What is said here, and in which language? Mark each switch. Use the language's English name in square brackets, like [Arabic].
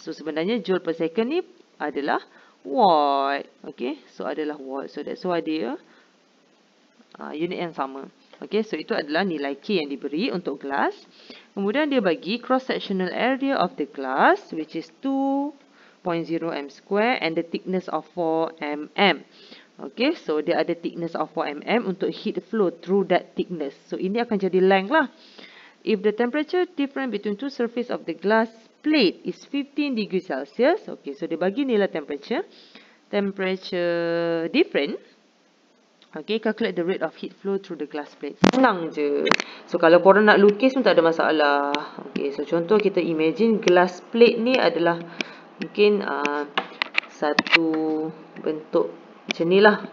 [Malay] So, sebenarnya joule per second ni adalah watt. Okay, so adalah watt. So, [English] that's why [Malay] dia unit yang sama. Okay, so itu adalah nilai K yang diberi untuk glass. Kemudian dia bagi [English] cross-sectional area of the glass, which is 2.0 m² and the thickness of 4 mm. Okay, so dia ada thickness of 4 mm untuk heat flow through that thickness. So, [Malay] ini akan jadi length lah. [English] If the temperature difference between two surfaces of the glass plate is 15 degrees Celsius. Okay, so [Malay] dia bagi nilai [English] temperature. Temperature different. Okay, calculate the rate of heat flow through the glass plate. [Malay] Senang je. So, kalau korang nak lukis pun tak ada masalah. Okay, so contoh kita imagine glass plate ni adalah mungkin satu bentuk macam ni lah.